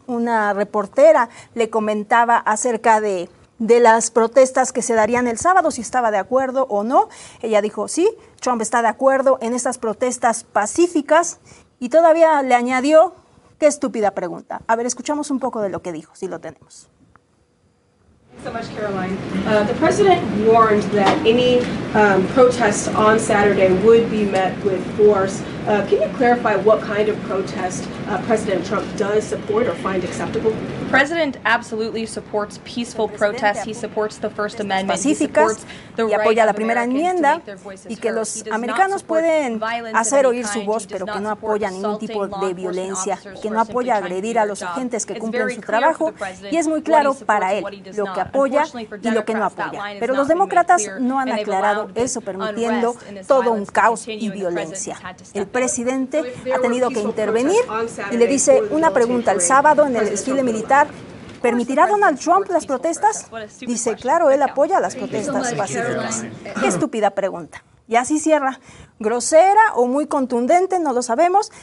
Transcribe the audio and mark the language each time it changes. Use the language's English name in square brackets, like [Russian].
[Spanish] Una reportera le comentaba acerca de las protestas que se darían el sábado, si estaba de acuerdo o no. Ella dijo, sí, Trump está de acuerdo en estas protestas pacíficas, y todavía le añadió, qué estúpida pregunta. A ver, escuchamos un poco de lo que dijo, si lo tenemos. [English] Thanks so much, Caroline. The president warned that any protests on Saturday would be met with force. Can you clarify what kind of protest President Trump does support or find acceptable? The president absolutely supports peaceful protests. He supports the First Amendment. He supports the right of Americans to make their voices heard. He does not support violence of any kind. He does not support assaulting law enforcement officers or simply trying to do his job. It's very clear for the president what he supports and what he does not. Unfortunately for Democrats, that line has not been made clear, and they've allowed this unrest and this chaos to continue, and the president has had to step in. [Spanish] El presidente ha tenido que intervenir y le dice una pregunta el sábado en el desfile militar. ¿Permitirá Donald Trump las protestas? Dice, claro, él apoya las protestas pacíficas. Qué estúpida pregunta. Y así cierra. Grosera o muy contundente, no lo sabemos.